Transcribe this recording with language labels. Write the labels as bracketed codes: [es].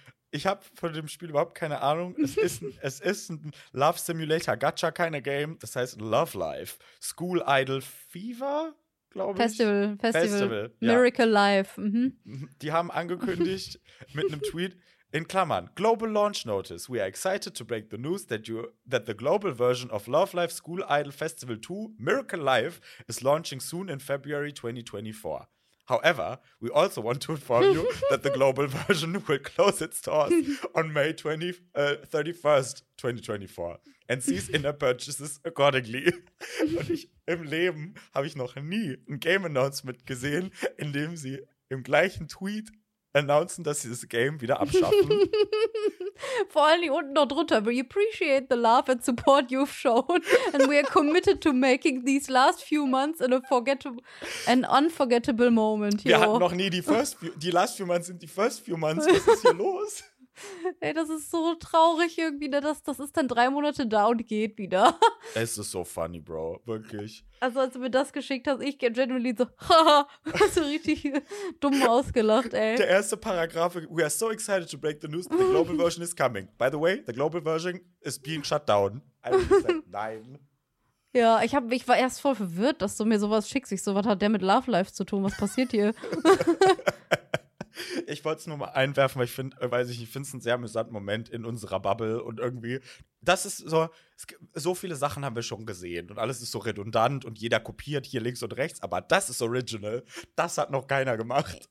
[de] Ich habe von dem Spiel überhaupt keine Ahnung. Es ist ein Love Simulator, Gacha, keine Game. Das heißt Love Life. School Idol Fever, glaube ich. Festival. Ja. Miracle Life. Mhm. Die haben angekündigt mit einem Tweet in Klammern: Global Launch Notice. [en] We are excited to break the news that the global version of Love Life School Idol Festival 2, Miracle Life, is launching soon in February 2024. However, we also want to inform you that the global version will close its doors on May 31st, 2024 and cease in-app purchases accordingly. [de] Und ich, im Leben habe ich noch nie ein Game-Announcement gesehen, in dem sie im gleichen Tweet announcen, dass sie das Game wieder abschaffen. Vor allen Dingen unten noch drunter. [en] We appreciate the love and support you've shown and we are committed to making these last few months an unforgettable moment. [de] Wir hatten noch nie die [en] last few months. [de] Was ist hier los? Ey, das ist so traurig irgendwie. Das ist dann 3 Monate da und geht wieder. Es ist so funny, Bro. Wirklich. Also als du mir das geschickt hast, ich genuinely so, haha, hast du richtig dumm ausgelacht, ey. Der erste Paragraph: [en] We are so excited to break the news, the global version is coming. By the way, the global version is being shut down. [de] Also, nein. Ja, ich war erst voll verwirrt, dass du mir sowas schickst. Ich so, was hat der mit Love Life zu tun? Was passiert hier? Ich wollte es nur mal einwerfen, weil ich finde es einen sehr amüsanten Moment in unserer Bubble und irgendwie, das ist so, so viele Sachen haben wir schon gesehen und alles ist so redundant und jeder kopiert hier links und rechts, aber das ist original, das hat noch keiner gemacht.